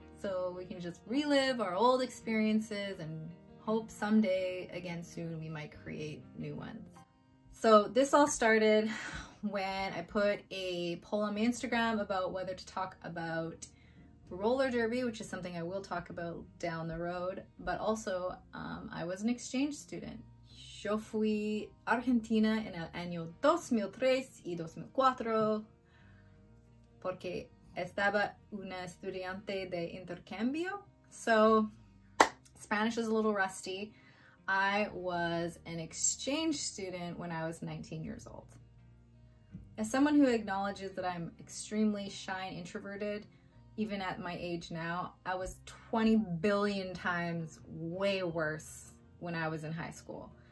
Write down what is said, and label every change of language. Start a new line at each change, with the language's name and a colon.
English: So we can just relive our old experiences and hope someday, again soon, we might create new ones. So this all started when I put a poll on my Instagram about whether to talk about roller derby, which is something I will talk about down the road, but also I was an exchange student.
Spanish: Yo fui Argentina en el año 2003 y 2004 porque estaba una estudiante de intercambio.
English: So, Spanish is a little rusty. I was an exchange student when I was 19 years old. As someone who acknowledges that I'm extremely shy and introverted, even at my age now, I was 20 billion times way worse when I was in high school.